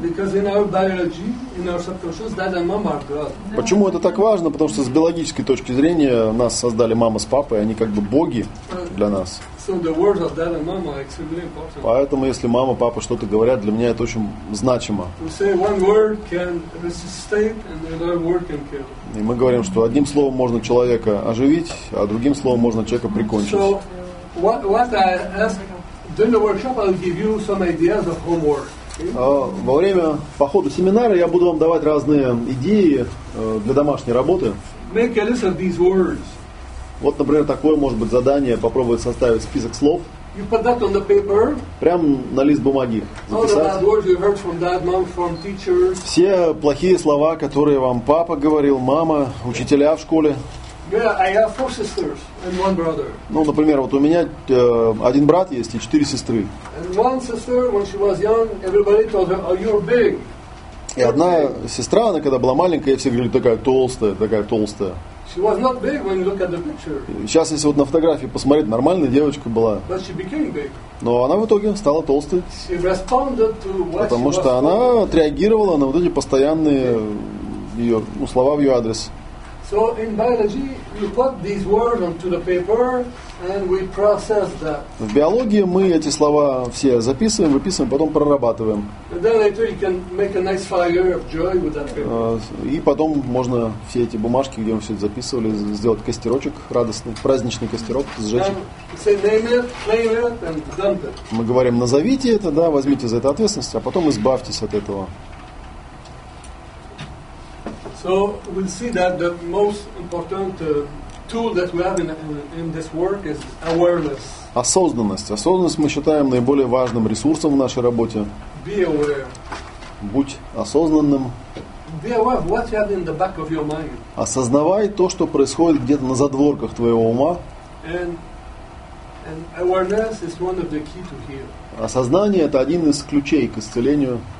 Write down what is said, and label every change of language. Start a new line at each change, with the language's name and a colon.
English: Because in our biology, in our subconscious, dad and mom are God.
Russian: Почему это так важно? Потому что с биологической точки зрения нас создали мама с папой, они как бы боги для нас.
English: So the words of dad and mom are extremely important.
Russian: Поэтому если мама, папа что-то говорят, для меня это очень значимо.
English: We say one word can resuscitate and another word can kill.
Russian: И мы говорим, что одним словом можно человека оживить, а другим словом можно человека прикончить.
English: So what I ask. During the workshop, I'll give you some ideas of homework.
Russian: Во время по ходу семинара я буду вам давать разные идеи для домашней работы.
English: Make a list of these words.
Russian: Вот, например, такое может быть задание: попробовать составить список слов.
English: You put that on the paper.
Russian: Прям на лист бумаги записать.
English: All the bad words you heard from dad, mom, from teachers.
Russian: Все плохие слова, которые вам папа говорил, мама, учителя в школе.
English: Yeah, I have four sisters and one brother.
Russian: Ну, например, вот у меня один брат есть и четыре сестры.
English: And one sister, when she was young, everybody told her, "Oh, you're big."
Russian: И одна сестра, она когда была маленькая, все говорили, такая толстая, такая толстая.
English: She was not big when you look at the picture.
Russian: Сейчас, если вот на фотографии посмотреть, нормальная девочка была.
English: But she became big.
Russian: Но она в итоге стала толстой.
English: She responded to what
Russian: потому
English: she
Russian: что
English: was
Russian: она
English: told.
Russian: Отреагировала на вот эти постоянные ее, ну, слова в ее адрес.
English: So in biology, we put these words onto the paper and we process that.
Russian: В биологии мы эти слова все записываем, выписываем, потом прорабатываем.
English: And then later you can make a nice fire of joy with that paper.
Russian: И потом можно все эти бумажки, где мы все это записывали, сделать костерочек радостный, праздничный костерок, сжечь.
English: Then say name it, claim it, and dump it.
Russian: Мы говорим, назовите это, да, возьмите за это ответственность, а потом избавьтесь от этого.
English: So we'll see that the most important tool that we have in this work is awareness.
Russian: Осознанность. Осознанность мы считаем наиболее важным ресурсом в нашей работе. Be aware. Будь осознанным. Be aware of what you have in the back of your mind. Осознавай то, что происходит где-то на задворках твоего ума. And awareness is one of the key to heal. Осознание — это один из ключей к исцелению.